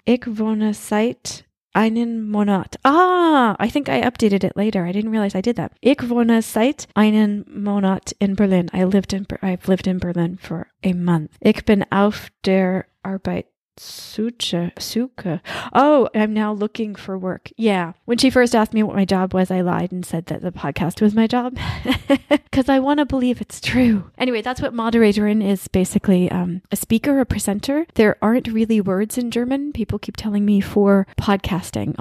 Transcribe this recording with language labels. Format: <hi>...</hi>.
<de>Ich wohne seit einen Monat.</de> <en>Ah, I think I updated it later. I didn't realize I did that.</en> <de>Ich wohne seit einen Monat in Berlin.</de> <en>I've lived in Berlin for a month.</en> <de>Ich bin auf der Arbeitssuche.</de> <en>Oh, I'm now looking for work. Yeah. When she first asked me what my job was, I lied and said that the podcast was my job. Because I want to believe it's true. Anyway, that's what Moderatorin is, basically a speaker, a presenter. There aren't really words in German. People keep telling me for podcasting.</en>